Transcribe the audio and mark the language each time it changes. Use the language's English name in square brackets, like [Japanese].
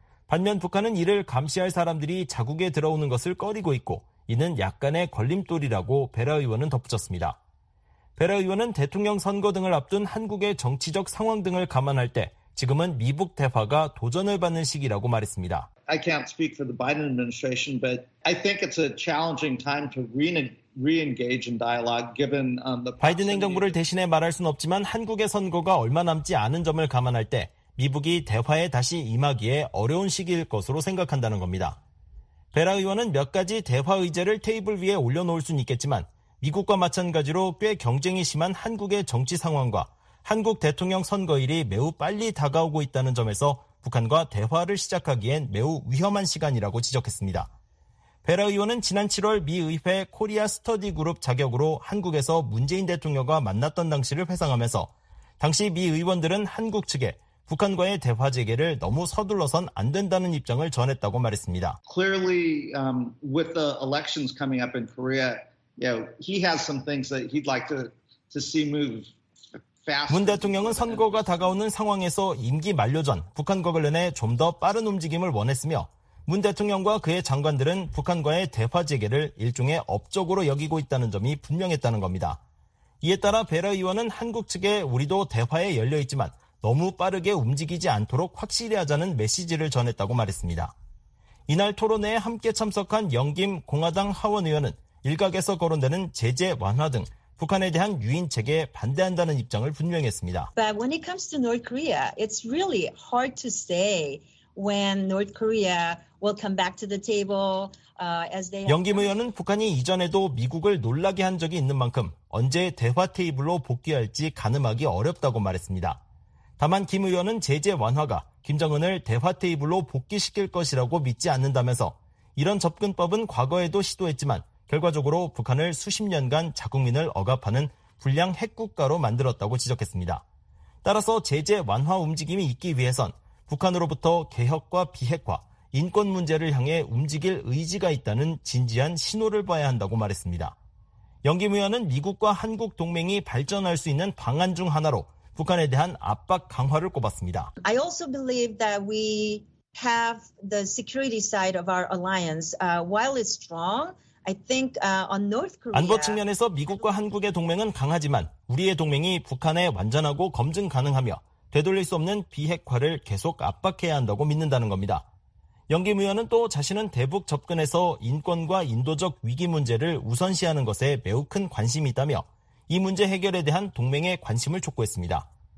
[Korean] 반면 북한은 이를 감시할 사람들이 자국에 들어오는 것을 꺼리고 있고 이는 약간의 걸림돌이라고 베라 의원은 덧붙였습니다. 베라 의원은 대통령 선거 등을 앞둔 한국의 정치적 상황 등을 감안할 때 지금은 미북 대화가 도전을 받는 시기라고 말했습니다. [English] I can't speak for the Biden administration, but I think it's a challenging time to re-engage in dialogue given the [Korean] 바이든 행정부를 대신해 말할 순 없지만 한국의 선거가 얼마 남지 않은 점을 감안할 때 미북이 대화에 다시 임하기에 어려운 시기일 것으로 생각한다는 겁니다. 베라 의원은 몇 가지 대화 의제를 테이블 위에 올려놓을 순 있겠지만 미국과 마찬가지로 꽤 경쟁이 심한 한국의 정치 상황과 한국 대통령 선거일이 매우 빨리 다가오고 있다는 점에서 북한과 대화를 시작하기엔 매우 위험한 시간이라고 지적했습니다. 베라 의원은 지난 7월 미 의회 코리아 스터디 그룹 자격으로 한국에서 문재인 대통령과 만났던 당시를 회상하면서 당시 미 의원들은 한국 측에 북한과의 대화 재개를 너무 서둘러선 안 된다는 입장을 전했다고 말했습니다. [English] Clearly, with the elections coming up in Korea, he has some things that he'd like to see move. [Korean] 문 대통령은 선거가 다가오는 상황에서 임기 만료 전 북한과 관련해 좀 더 빠른 움직임을 원했으며 문 대통령과 그의 장관들은 북한과의 대화 재개를 일종의 업적으로 여기고 있다는 점이 분명했다는 겁니다. 이에 따라 베라 의원은 한국 측에 우리도 대화에 열려있지만 너무 빠르게 움직이지 않도록 확실히 하자는 메시지를 전했다고 말했습니다. 이날 토론회에 함께 참석한 영김 공화당 하원 의원은 일각에서 거론되는 제재 완화 등 북한에 대한 유인책에 반대한다는 입장을 분명했습니다. [English] But when it comes to North Korea, it's really hard to say when North Korea will come back to the table as they [Korean] 영김 의원은 북한이 이전에도 미국을 놀라게 한 적이 있는 만큼 언제 대화 테이블로 복귀할지 가늠하기 어렵다고 말했습니다. 다만 김 의원은 제재 완화가 김정은을 대화 테이블로 복귀시킬 것이라고 믿지 않는다면서 이런 접근법은 과거에도 시도했지만 결과적으로 북한을 수십 년간 자국민을 억압하는 불량 핵국가로 만들었다고 지적했습니다. 따라서 제재 완화 움직임이 있기 위해선 북한으로부터 개혁과 비핵화, 인권 문제를 향해 움직일 의지가 있다는 진지한 신호를 봐야 한다고 말했습니다. 영기 의원은 미국과 한국 동맹이 발전할 수 있는 방안 중 하나로 북한에 대한 압박 강화를 꼽았습니다. [English] I also believe that we have the security side of our alliance while it's strong. I think on North Korea [Korean] 안보 측면에서 미국과 한국의 동맹은 강하지만 우리의 동맹이 북한에 완전하고 검증 가능하며 되돌릴 수 없는 비핵화를 계속 압박해야 한다고 믿는다는 겁니다. 영김 의원은 또 자신은 대북 접근에서 인권과 인도적 위기 문제를 우선시하는 것에 매우 큰 관심이 있다며 이 문제 해결에 대한 동맹의 관심을 촉구했습니다.